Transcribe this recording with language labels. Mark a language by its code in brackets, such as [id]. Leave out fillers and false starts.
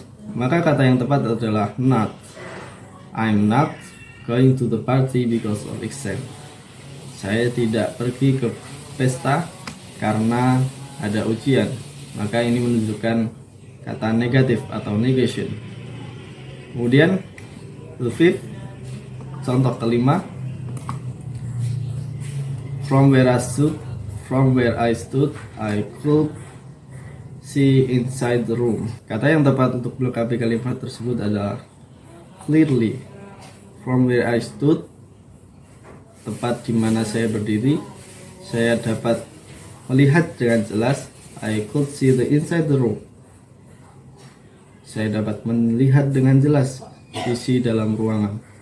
[id] Maka kata yang tepat adalah not. [en] I'm not going to the party because of exam. [id] Saya tidak pergi ke pesta karena ada ujian. Maka ini menunjukkan kata negatif atau negation. [en] Kemudian the fifth, [id] contoh kelima, [en] From where I stood, I could see inside the room. [id] Kata yang tepat untuk melengkapi kalimat tersebut adalah clearly. [en] From where I stood, [id] tempat di mana saya berdiri, saya dapat melihat dengan jelas. [en] I could see the inside the room. [id] Saya dapat melihat dengan jelas isi dalam ruangan.